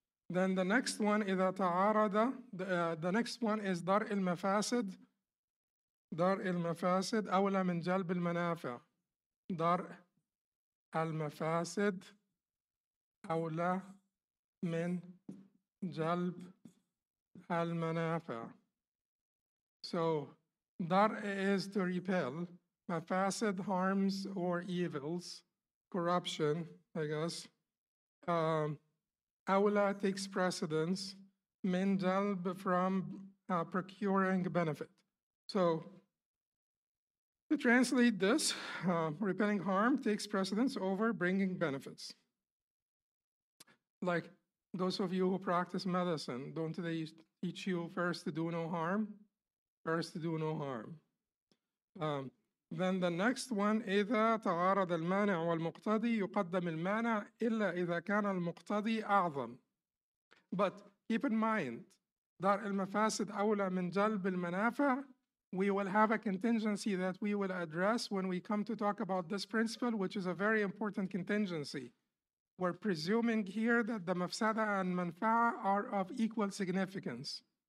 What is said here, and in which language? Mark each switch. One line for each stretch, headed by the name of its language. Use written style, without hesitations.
English: Then the next one is the next one is
Arabic: دار المفاسد. دار المفاسد أولى من جلب المنافع. دار المفاسد أولى من جلب المنافع.
English: So, دار is to repel. مفاسد, harms or evils. Corruption, I guess. أولى takes precedence.
Arabic: من جلب,
English: from procuring benefit. So, to translate this, repelling harm takes precedence over bringing benefits. Like those of you who practice medicine, don't they teach you first to do no harm? First to do no harm. Then the next one,
Arabic: إذا تعارض المانع والمقتضي يقدم المانع إلا إذا كان المقتضي أعظم.
English: But keep in mind,
Arabic: دار المفاسد أولى من جلب المنافع.
English: We will have a contingency that we will address when we come to talk about this principle, which is a very important contingency. We're presuming here that the mafsada and manfa'a are of equal significance.